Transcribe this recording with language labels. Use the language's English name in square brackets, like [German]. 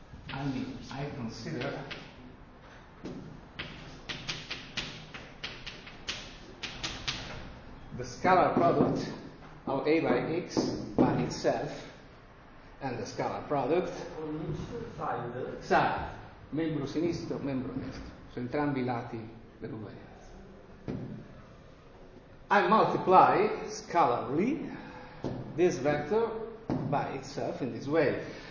[English] I mean, I consider the scalar product of A by X by itself and the scalar product on each side, [Italian] membro sinistro, membro destro, su entrambi i lati dell'uguaglianza. [English] I multiply scalarly this vector by itself in this way.